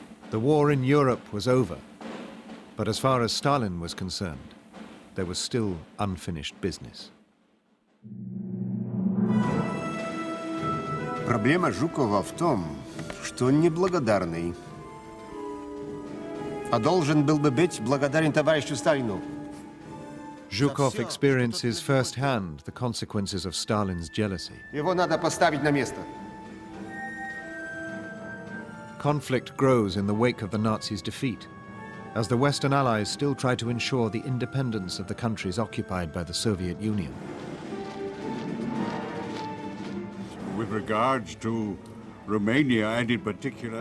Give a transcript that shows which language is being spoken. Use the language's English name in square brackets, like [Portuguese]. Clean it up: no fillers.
[English] The war in Europe was over, but as far as Stalin was concerned, there was still unfinished business. [Russian] Проблема Жукова в том, что он неблагодарный. А должен был бы быть благодарен товарищу Сталину. [English] Жуков experiences firsthand the consequences of Stalin's jealousy. [Russian] Его надо поставить на место. [English] Conflict grows in the wake of the Nazis' defeat, as the Western Allies still try to ensure the independence of the countries occupied by the Soviet Union. With regards to Romania and in particular...